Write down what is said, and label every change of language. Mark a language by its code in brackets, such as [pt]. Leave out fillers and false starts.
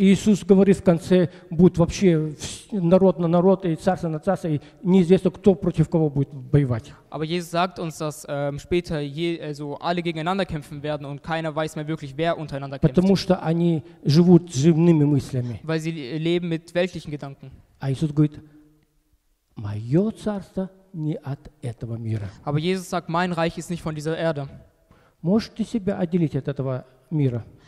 [ru] И Иисус говорит в конце, будет вообще народ на народ и царство на царство, и неизвестно, кто против кого будет воевать. [de] Aber Jesus sagt uns, dass später also alle gegeneinander kämpfen werden und keiner weiß mehr wirklich, wer untereinander kämpft. [ru] Потому что они живут земными мыслями. [de] Weil sie leben mit weltlichen Gedanken. [ru] А Иисус говорит, мое царство не от этого мира. [de] Aber Jesus sagt, mein Reich ist nicht von dieser Erde. [ru] Можете себя отделить от этого мира?